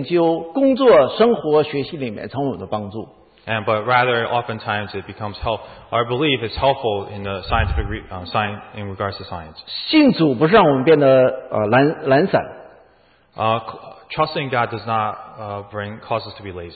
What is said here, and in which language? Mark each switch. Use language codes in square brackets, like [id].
[zh] 而且我们的信仰往往在我们的科学研究、工作、生活、学习里面成为我们的帮助。 [en] And but rather oftentimes it becomes help. Our belief is helpful in the scientific in regards to science. [zh] 信主不是让我们变得懒散。 [en] Trusting God does not bring cause us to be lazy.